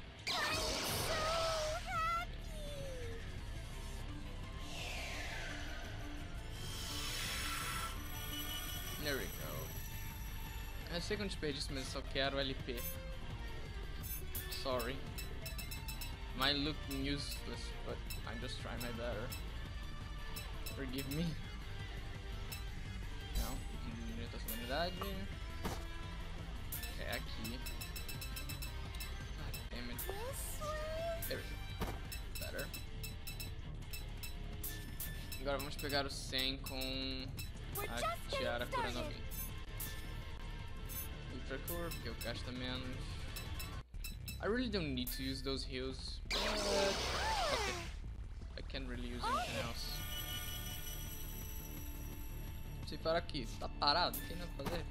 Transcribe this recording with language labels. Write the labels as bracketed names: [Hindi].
[English] I'm so happy! There we go. [Portuguese] Eu sei que eu desperdi isso, mas eu só quero LP. [English] Sorry. Might look useless, but I'm just trying my better. Forgive me. [Portuguese] Não, diminuir a sanidade. É aqui. [English] God damn it. There we go. Better. [Portuguese] Agora vamos pegar o 100 com a tiara curando alguém. Ultra Core, porque eu gasto menos. [English] I really don't need to use those heals, but okay. I can't really use anything else. [Portuguese] Você para aqui, tá parado, tem nada a fazer?